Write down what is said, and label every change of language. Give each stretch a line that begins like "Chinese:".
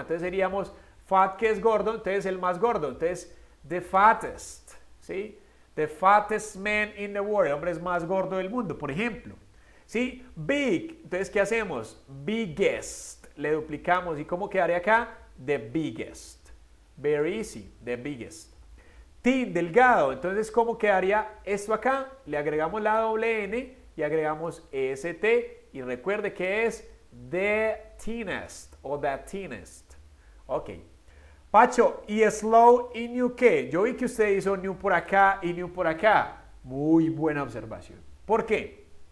Spanish: Entonces seríamos fat, que es gordo, entonces el más gordo. Entonces the fattest, ¿sí?
English: The fattest man in the world,
Spanish: el hombre es más gordo del mundo, por ejemplo. ¿Sí? Big, entonces ¿qué hacemos? Biggest, le duplicamos. ¿Y cómo quedaría acá?
English: The biggest, very easy, the biggest.
Spanish: Thin, delgado, entonces ¿cómo quedaría esto acá? Le agregamos la doble N y agregamos EST, y recuerde que es the thinnest o the thinnest. Ok. Pacho, ¿y slow y new qué? Yo vi que usted hizo new por acá y new por acá. Muy buena observación. ¿Por qué?